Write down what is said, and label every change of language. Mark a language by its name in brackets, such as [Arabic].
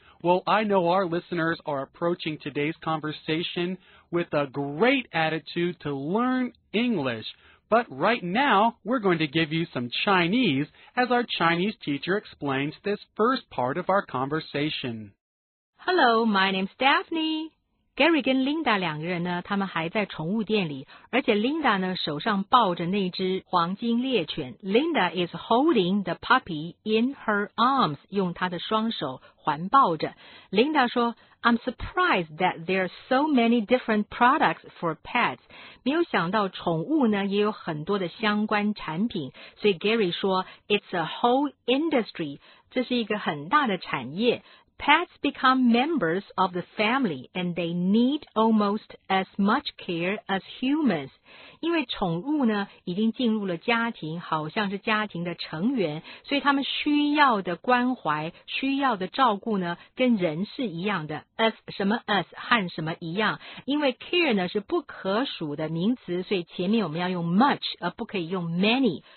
[English] Well, I know our listeners are approaching today's conversation with a great attitude to learn English, but right now we're going to give you some Chinese as our Chinese teacher explains this first part of our conversation. Hello, my name's Daphne. [Chinese] Gary 跟 Linda 两个人呢，他们还在宠物店里，而且 Linda 呢手上抱着那只黄金猎犬。 [English] Linda is holding the puppy in her arms， [Chinese] 用她的双手环抱着。 Linda 说 ， [English] I'm surprised that there are so many different products for pets， [Chinese] 没有想到宠物呢也有很多的相关产品。所以 Gary 说 ， [English] It's a whole industry， [Chinese] 这是一个很大的产业。 [English] Pets become members of the family and they need almost as much care as humans. [Chinese] 因为宠物呢已经进入了家庭，好像是家庭的成员，所以他们需要的关怀，需要的照顾呢跟人是一样的。 As 什么 as 和什么一样，因为 care 呢是不可数的名词，所以前面我们要用 much 而不可以用 many。